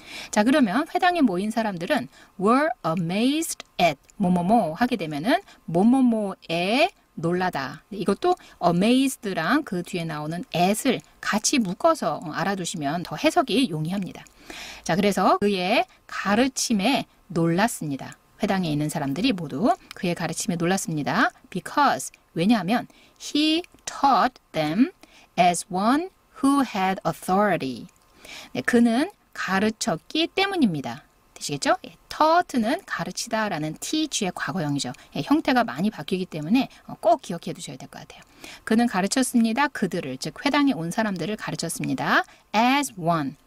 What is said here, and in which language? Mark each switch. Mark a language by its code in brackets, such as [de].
[ko] 자, 그러면 회당에 모인 사람들은 [en] were amazed at [ko] 뭐뭐뭐 하게 되면은 뭐뭐뭐에 놀라다. 이것도 amazed랑 그 뒤에 나오는 at을 같이 묶어서 알아두시면 더 해석이 용이합니다. 자, 그래서 그의 가르침에 놀랐습니다. 회당에 있는 사람들이 모두 그의 가르침에 놀랐습니다. [en] Because, [ko] 왜냐하면 [en] he taught them as one who had authority. [ko] 네, 그는 가르쳤기 때문입니다. 되시겠죠? taught는 가르치다 라는 teach의 과거형이죠. 예, 형태가 많이 바뀌기 때문에 꼭 기억해 두셔야 될 것 같아요. 그는 가르쳤습니다. 그들을, 즉 회당에 온 사람들을 가르쳤습니다. [en] as one.